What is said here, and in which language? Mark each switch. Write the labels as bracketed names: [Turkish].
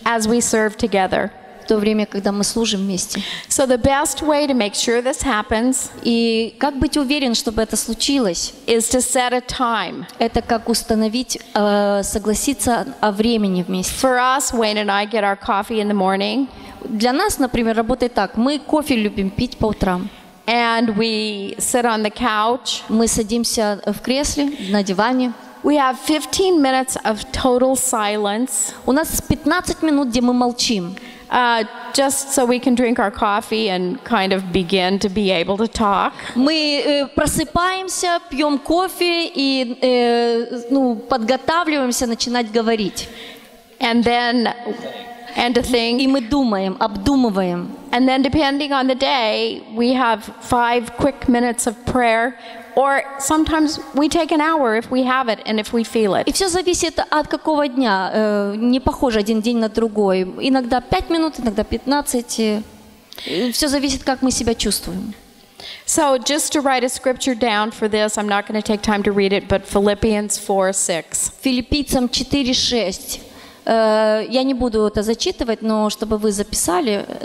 [English] As we serve together. [Russian] В то время, когда мы служим вместе. [English] So the best way to make sure this happens. [Russian] И как быть уверен, чтобы это случилось? [English] Is to set a time. [Russian] Это как установить, согласиться о времени вместе. [English] For us, Wayne and I get our coffee in the morning. [Russian] Для нас, например, работает так. Мы кофе любим пить по утрам. [English] And we sit on the couch. [Russian] Мы садимся в кресле, на диване. [English] We have 15 minutes of total silence. [Russian] У нас 15 минут, где мы молчим. [English] Just so we can drink our coffee and kind of begin to be able to talk. [Russian] Мы просыпаемся, пьём кофе и подготавливаемся начинать говорить. [English] And to think. [Russian] И мы думаем, обдумываем. [English] And then depending on the day, we have 5 quick minutes of prayer. Or sometimes we take an hour if we have it and if we feel it. [Russian] И всё зависит от какого дня, не похоже один день на другой. Иногда 5 минут, иногда 15. Всё зависит, как мы себя чувствуем. [English] So just to write a scripture down for this, I'm not going to take time to read it, but Philippians 4:6. [Russian] Филиппийцам 4:6. Я не буду это зачитывать, но чтобы вы записали.